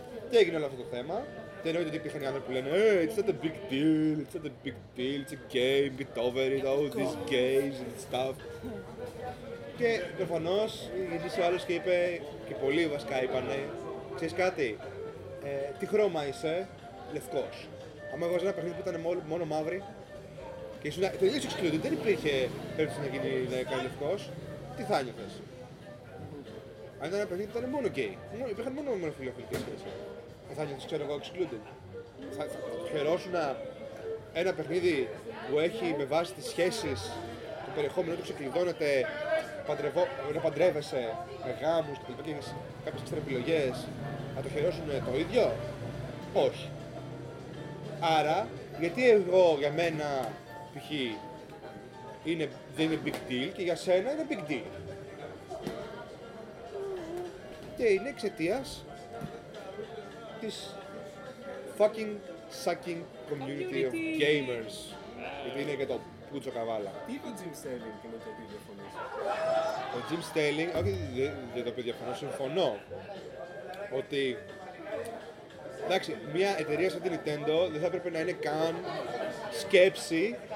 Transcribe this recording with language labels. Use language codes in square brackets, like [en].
[el] Τι έγινε όλο αυτό το θέμα, και εννοείται ότι υπήρχαν οι άνθρωποι που λένε [en] it's not a big deal, it's not a big deal, it's a game, get over it, all these games and stuff. [el] Και προφανώς γυρίσε ο άλλος και είπε, και πολλοί βασικά είπανε, ξέρεις κάτι, τι χρώμα είσαι, λευκός. Άμα εγώ ένα παιχνίδι που ήταν μόνο μαύρη και ήσουν τελείως εξκλούδι, δεν υπήρχε πρέπει να γίνει λαϊκά λευκός, τι θα νιώθες. Αν ήταν ένα παιχνίδι που ήταν μόνο gay, υπήρχαν μόνο ομοφιλοφιλικές σχέσεις. Θα νιώθεις, ξέρω εγώ, εξκλούδι. Θα χαιρόσουν ένα παιχνίδι που έχει με βάση τις σχέσεις το περιεχόμενο του ξεκλειδώνεται. Να παντρεύεσαι με γάμους και τελικά και κάποιες έξτρα επιλογές να το χαιρώσουν το ίδιο. Όχι. Άρα, γιατί εγώ για μένα π.χ. είναι, δεν είναι big deal και για σένα είναι big deal. Και είναι εξαιτίας της [en] fucking sucking community of gamers. [el] Γιατί είναι και το Πούτσο Καβάλα. Τι είπε ο Jim Sterling και με το οποίο διαφωνήσω. Ο Jim Sterling, όχι για το οποίο διαφωνώ, συμφωνώ ότι εντάξει, μια εταιρεία σαν την Nintendo δεν θα έπρεπε να είναι καν σκέψη